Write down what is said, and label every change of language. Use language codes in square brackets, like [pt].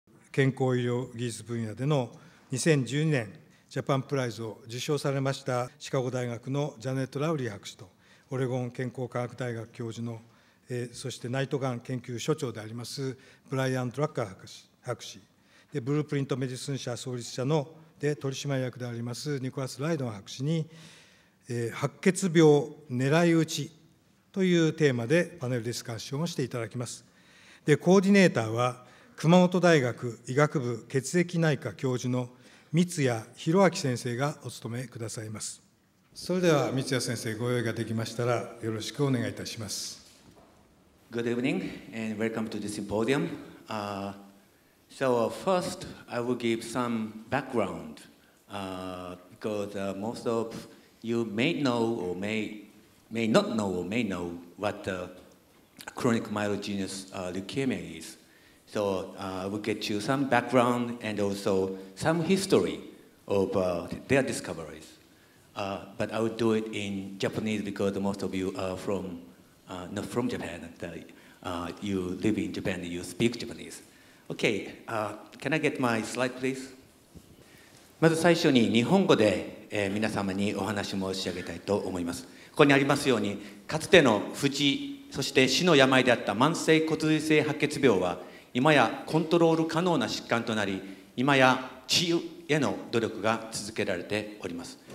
[ja] 健康医療技術分野での2012年ジャパンプライズを受賞されましたシカゴ大学のジャネット・ラウリー博士とオレゴン健康科学大学教授の、そしてナイトガン研究所長でありますブライアン・ドラッカー博士でブループリントメディスン社創立者ので取締役でありますニコラス・ライドン博士に、白血病狙い撃ちというテーマでパネルディスカッションをしていただきます。でコーディネーターは熊本大学医学部血液内科教授の Mitsuya先生がお務めくださいます。それでは Mitsuya先生、ご用意ができましたらよろしくお願いいたします。 [en] Good evening and welcome to this symposium. So first I will give some background because most of you may know or may not know what chronic myelogenous leukemia is. So I will get you some background and also some history of their discoveries. But I will do it in Japanese because most of you are from, not from Japan. You live in Japan and you speak Japanese. Okay, can I get my slide, please? [ja] まず最初に日本語で皆様にお話申し上げたいと思います。ここにありますようにかつての不治そして死の病であった慢性骨髄性白血病は今やコントロール可能な疾患となり今や治癒への努力が続けられております。